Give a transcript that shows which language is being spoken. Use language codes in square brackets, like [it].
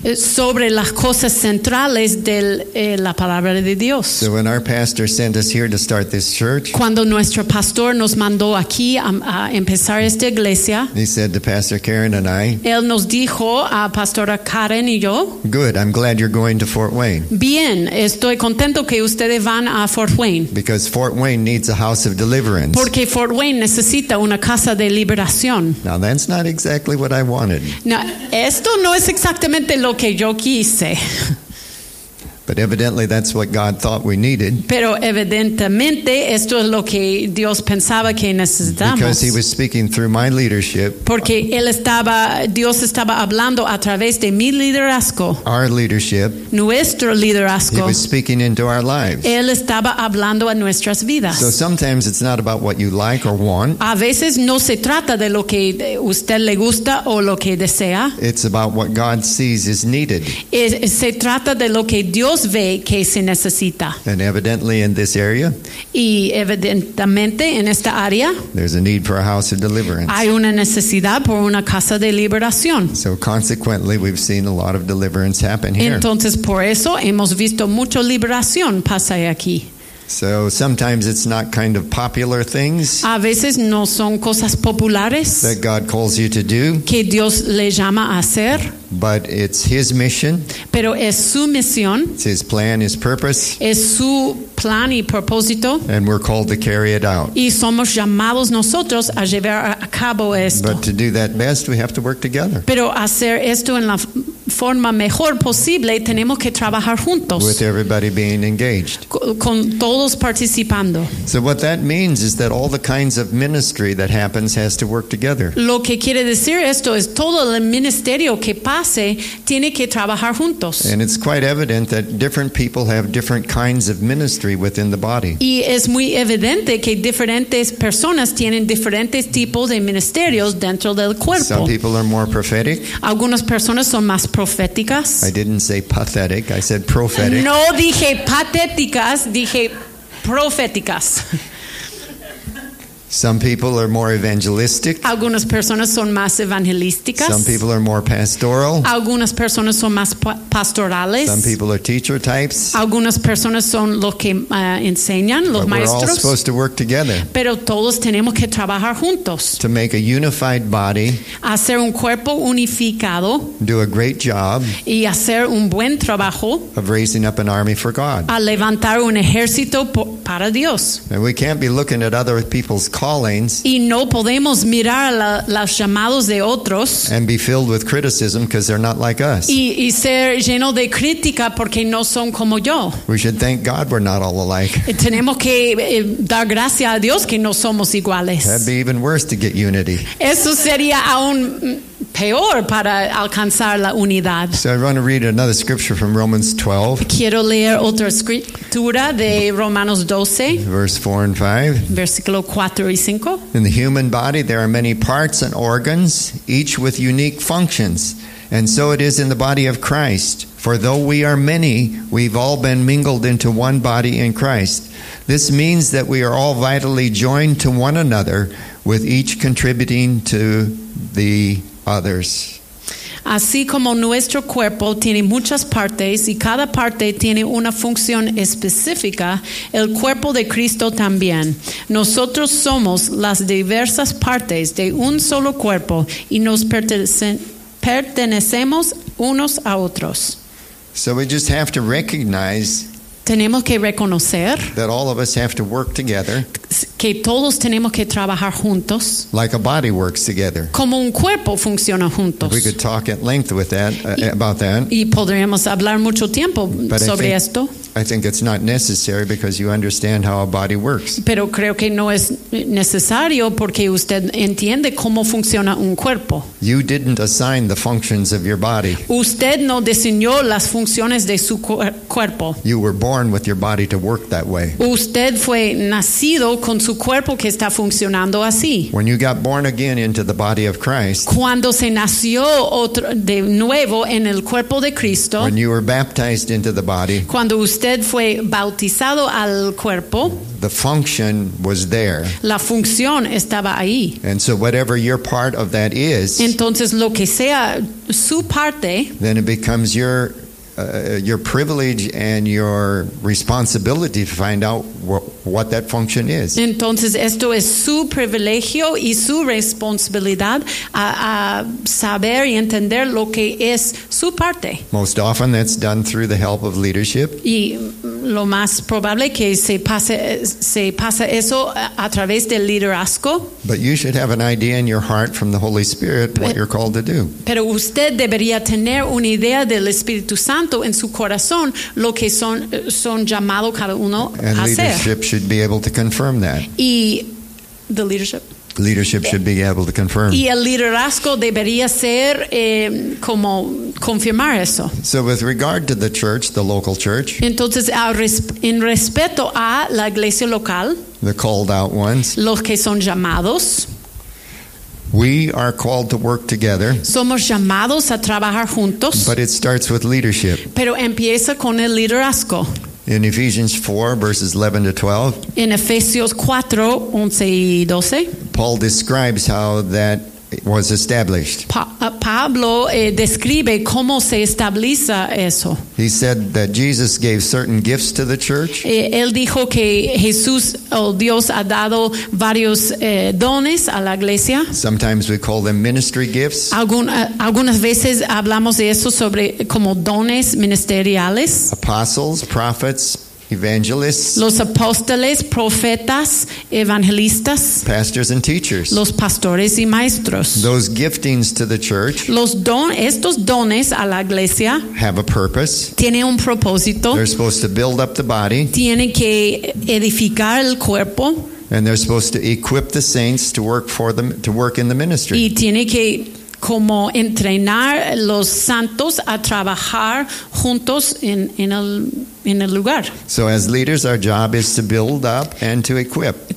[es] Sobre las cosas centrales de la palabra de Dios. [en] So when our pastor sent us here to start this church, [es] cuando nuestro pastor nos mandó aquí a empezar esta iglesia. [en] He said to Pastor Karen and I. [es] Él nos dijo a Pastora Karen y yo. [en] Good, I'm glad you're going to Fort Wayne. [es] Bien, estoy contento que ustedes van a Fort Wayne. [en] Because Fort Wayne needs a house of deliverance. [es] Porque Fort Wayne necesita una casa de liberación. [en] Now that's not exactly what I wanted. [es] Now, esto no es exactamente lo que yo quise. [en] But evidently that's what God thought we needed. [es] Pero evidentemente esto es lo que Dios pensaba que necesitamos. [en] Because he was speaking through my leadership. [es] Porque Dios estaba hablando a través de mi liderazgo. [en] Our leadership. [es] Nuestro liderazgo. [en] He was speaking into our lives. [es] Él estaba hablando a nuestras vidas. [en] So sometimes it's not about what you like or want. [es] A veces no se trata de lo que usted le gusta o lo que desea. [en] It's about what God sees is needed. [es] Se trata de lo que Dios ve que se necesita. [en] And evidently in this area. [es] Y evidentemente en esta área. [en] There's a need for a house of deliverance. [es] Hay una necesidad por una casa de liberación. [en] So consequently, we've seen a lot of deliverance happen here. [es] Entonces por eso hemos visto mucho liberación pasar aquí. [en] So sometimes it's not kind of popular things. [es] A veces no son cosas populares. [en] That God calls you to do. [es] Que Dios le llama a hacer. [en] But it's his mission. [es] Pero es su misión. [en] It's his plan, his purpose. [es] Es su plan y propósito. [en] And we're called to carry it out. [es] Y somos llamados nosotros a llevar a cabo esto. [en] But to do that best, we have to work together. [es] Pero hacer esto en la forma mejor posible, tenemos que trabajar juntos. [en] With everybody being engaged. [es] Con todos participando. [en] So what that means is that all the kinds of ministry that happens has to work together. [es] Lo que quiere decir esto es todo el ministerio que pase tiene que trabajar juntos. [en] And it's quite evident that different people have different kinds of ministry within the body. [es] Y es muy evidente que diferentes personas tienen diferentes tipos de ministerios dentro del cuerpo. [en] Some people are more prophetic. [es] Algunas personas son más proféticas. [en] I didn't say pathetic, I said prophetic. [es] No dije patéticas, dije proféticas. [en] Some people are more evangelistic. [es] Algunas personas son más evangelísticas. [en] Some people are more pastoral. [es] Algunas personas son más pastorales. [en] Some people are teacher types. [es] Algunas personas son los que enseñan, los [en] but [es] maestros. [en] We're all supposed to work together. [es] Pero todos tenemos que trabajar juntos. [en] To make a unified body. [es] Hacer un cuerpo unificado. [en] Do a great job. [es] Y hacer un buen trabajo. [en] Of raising up an army for God. [es] A levantar un ejército para Dios. [en] And we can't be looking at other people's callings. [es] Y no podemos mirar los llamados de otros. [en] And be filled with criticism because they're not like us. [es] Y ser lleno de crítica porque no son como yo. [en] We should thank God we're not all alike. [es] Tenemos que dar gracias a Dios que no somos iguales. [en] That'd be even worse to get unity. [es] Eso sería aún peor para alcanzar la unidad. [en] So I want to read another scripture from Romans 12. [es] Quiero leer otra escritura de Romanos 12. [en] Verse 4 and 5. [es] Versículo 4 y 5. [en] In the human body there are many parts and organs, each with unique functions. And so it is in the body of Christ. For though we are many, we've all been mingled into one body in Christ. This means that we are all vitally joined to one another, with each contributing to the others. [es] Así como nuestro cuerpo tiene muchas partes y cada parte tiene una función específica, el cuerpo de Cristo también. Nosotros somos las diversas partes de un solo cuerpo y nos pertenecemos unos a otros. [en] So we just have to recognize. [es] Tenemos que reconocer [en] that all of us have to work together, [es] que todos tenemos que trabajar juntos, [en] like a body works together, [es] como un cuerpo funciona juntos. [en] We could talk at length with that about that. [es] Y podríamos hablar mucho tiempo [en] but [es] sobre [en] I think, [es] esto. [en] I think it's not necessary because you understand how a body works. [es] Pero creo que no es necesario porque usted entiende cómo funciona un cuerpo. [en] You didn't assign the functions of your body. [es] Usted no diseñó las funciones de su cuerpo. [en] You were born with your body to work that way. [es] Usted fue nacido con su cuerpo que está funcionando así. [en] When you got born again into the body of Christ, [es] cuando se nació otro, de nuevo en el cuerpo de Cristo, [en] when you were baptized into the body, [es] cuando usted fue bautizado al cuerpo, [en] the function was there. [es] La función estaba ahí. [en] And so whatever your part of that is, [es] entonces lo que sea su parte, [en] then it becomes your privilege and your responsibility to find out what that function is. [es] Entonces esto es su privilegio y su responsabilidad a saber y entender lo que es su parte. [en] Most often that's done through the help of leadership. [es] Y lo más probable que se pase eso a través del liderazgo. [en] But you should have an idea in your heart from the Holy Spirit what you're called to do. [es] Pero usted debería tener una idea del Espíritu Santo en su corazón lo que son llamado cada uno a hacer. [en] And leadership should be able to confirm that. Y the leadership. Leadership should be able to confirm. [es] Y el liderazgo debería ser como confirmar eso. [en] So with regard to the church, the local church. [es] Entonces, en respeto a la iglesia local. [en] The called out ones. [es] Los que son llamados. [en] We are called to work together. [es] Somos llamados a trabajar juntos. [en] But it starts with leadership. [es] Pero empieza con el liderazgo. [en] In Ephesians 4, verses 11 to 12. [es] En Efesios 4, 11 y 12. [en] Paul describes how that was established. [es] Pablo describe cómo se establece eso. [en] He said that Jesus gave certain gifts to the church. [es] Él dijo que Jesús o Dios ha dado varios dones a la iglesia. [en] Sometimes we call them ministry gifts. [es] Algunas veces hablamos de eso sobre como dones ministeriales. [en] Apostles, prophets, evangelists, [es] los apóstoles, profetas, evangelistas, [en] pastors and teachers, [es] los pastores y maestros, [en] those giftings to the church, [es] estos dones a la iglesia, [en] have a purpose, [es] tiene un propósito, [en] they're supposed to build up the body, [es] tiene que edificar el cuerpo, [en] and they're supposed to equip the saints to work for them, to work in the ministry, [es] y tiene que como entrenar los santos a trabajar juntos en el lugar. [en] So as leaders, our job is to build up and to equip.